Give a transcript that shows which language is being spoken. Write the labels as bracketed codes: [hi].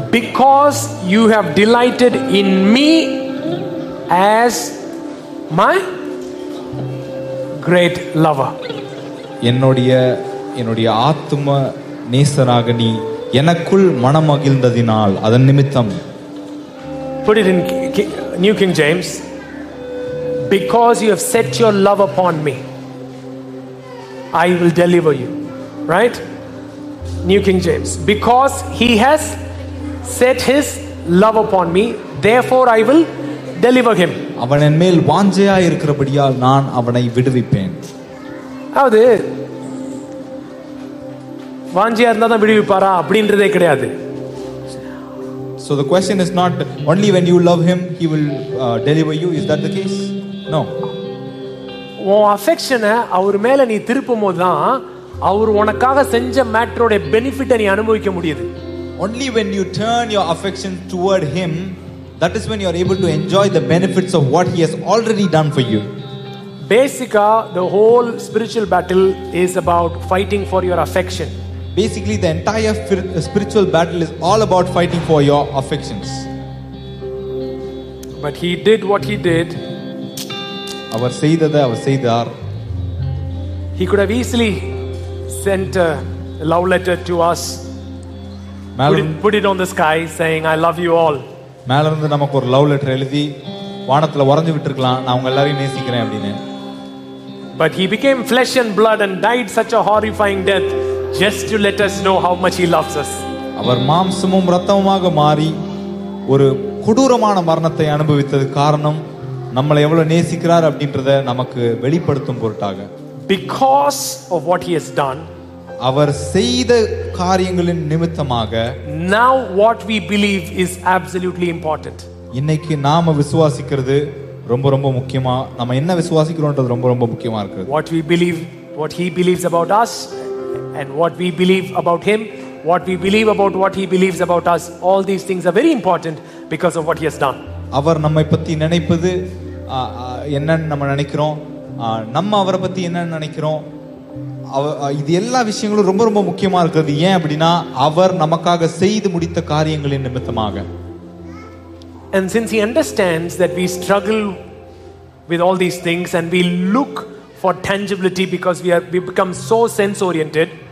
[en] Because you have delighted in me as my great lover. [ta] என்னுடைய ஆத்தும நேசராக நீ எனக்குள் மனமகிழ்ந்ததினால் அதன் நிமித்தம். [en] Put it in New King James. Because you have set your love upon me, I will deliver you. Right? New King James. Because he has set his love upon me, therefore I will deliver him. [ta] அவன் என் மேல் வாஞ்சையாய் இருக்கிறபடியால் நான் அவனை விடுவிப்பேன். அது வாஞ்சியா இருந்தா தான் விடுவிப்பாரா அப்படின்றதே கிடையாது. [en] So the question is not only when you love him he will deliver you, is that the case? No. [ta] ஓ அஃபெக்ஷன அவர் மேல நீ திருப்பும்போது தான் அவர் உனக்காக செஞ்ச மேட்டரோட பெனிஃபிட்டை நீ அனுபவிக்க முடியுது. [en] Only when you turn your affection toward him, that is when you are able to enjoy the benefits of what he has already done for you. Basically, the whole spiritual battle is about fighting for your affection. Basically, the entire spiritual battle is all about fighting for your affections. But he did what he did. [ta] Avar seidhathu avar seidhar. [en] He could have easily sent a love letter to us. Put it on the sky saying I love you all. [ta] மேலிருந்து நமக்கு ஒரு love letter எழுதி வானத்துல உறைஞ்சு விட்டுருக்கலாம், நான் உங்க எல்லாரையும் நேசிக்கிறேன் அப்படின்னு. [en] But he became flesh and blood and died such a horrifying death just to let us know how much he loves us. [ta] அவர் மாம்சமும் இரத்தமுமாக மாறி ஒரு கொடூரமான மரணத்தை அனுபவித்தது காரணம் நம்மளை எவ்வளவு நேசிக்கிறார் அப்படின்றத நமக்கு வெளிப்படுத்தும் பொருட்டாக. [en] Because of what he has done, [ta] அவர் செய்த காரியங்களின் நிமித்தமாக, [en] now what we believe is absolutely important. [ta] இன்னைக்கு நாம விசுவாசிக்கிறது ரொம்ப ரொம்ப முக்கியமா, நாம என்ன விசுவாசிக்கிறோம்ன்றது ரொம்ப ரொம்ப முக்கியமா இருக்கு. [en] What we believe, what he believes about us, and what we believe about him, what we believe about what he believes about us, all these things are very important because of what he has done. [ta] அவர் நம்மை பத்தி நினைப்பது என்னன்னு நம்ம நினைக்கிறோம், நம்ம அவரை பத்தி என்ன நினைக்கிறோம், இது எல்லா விஷயங்களும் ரொம்ப ரொம்ப முக்கியமா இருக்கிறது. ஏன் அப்படின்னா அவர் நமக்காக செய்து முடித்த காரியங்களின் நிமித்தமாக. [en] And since he understands that we struggle with all these things and we look for tangibility because we become so sense oriented.